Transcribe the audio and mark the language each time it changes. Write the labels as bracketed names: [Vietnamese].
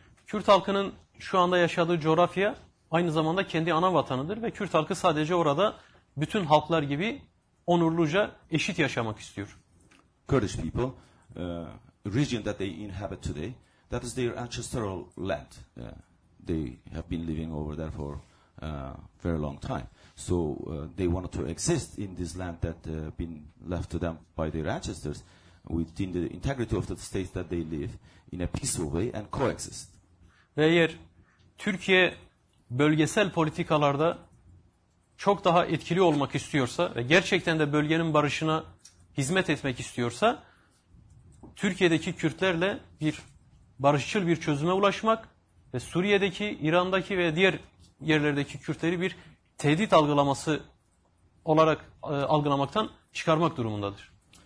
[Turkish] Kürt halkının şu anda yaşadığı coğrafya aynı zamanda kendi ana vatanıdır ve Kürt halkı sadece orada bütün halklar gibi onurluca eşit yaşamak istiyor. [English] Kurdish people, region that they inhabit today, that is their ancestral land. They have been living over there for very long time. So they wanted to exist in this land that been left to them by their ancestors within the integrity of the state that they live in a peaceful way and coexist. [Turkish] Ve eğer Türkiye bölgesel politikalarda çok daha etkili olmak istiyorsa ve gerçekten de bölgenin barışına hizmet etmek istiyorsa Türkiye'deki Kürtlerle bir barışçıl bir çözüme ulaşmak ve Suriye'deki, İran'daki ve diğer yerlerdeki Kürtleri bir tehdit algılaması olarak algılamaktan çıkarmak durumundadır.